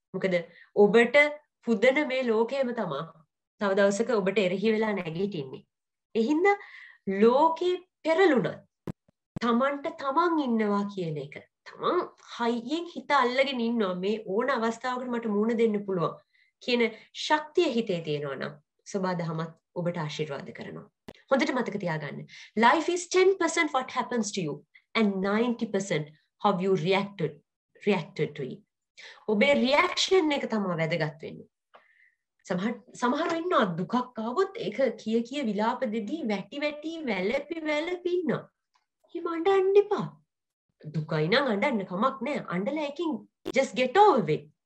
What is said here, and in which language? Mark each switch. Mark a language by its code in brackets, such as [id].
[si] මොකද ඔබට පුදන මේ ලෝකෙම තමයි තව දවසක ඔබට එරෙහි වෙලා නැගිටින්නේ. එහින්ද ලෝකෙ පෙරළුණත් තමන්ට තමන් ඉන්නවා කියන එක. තමන් හයියෙන් හිත අල්ලගෙන ඉන්නවා මේ ඕන අවස්ථාවකට මට මුණ දෙන්න පුළුවන් කියන ශක්තිය හිතේ තියෙනවා නම් සබදහමත් ඔබට ආශිර්වාද කරනවා. හොඳට මතක තියාගන්න. [en] Life is 10% what happens to you and 90% how you reacted to it. [si] ඔබේ රියැක්ෂන් එක තමයි වැදගත් වෙන්නේ. සමහර ඉන්නවා දුකක් ආවොත් ඒක කිය කිය විලාප දෙදී වැටි වැටි වැළපි වැළපි ඉන්නවා. එහෙම අඬන්න එපා. දුකයි නම් අඬන්න කමක් නැහැ. අඬලා එකින් [en] just get over it.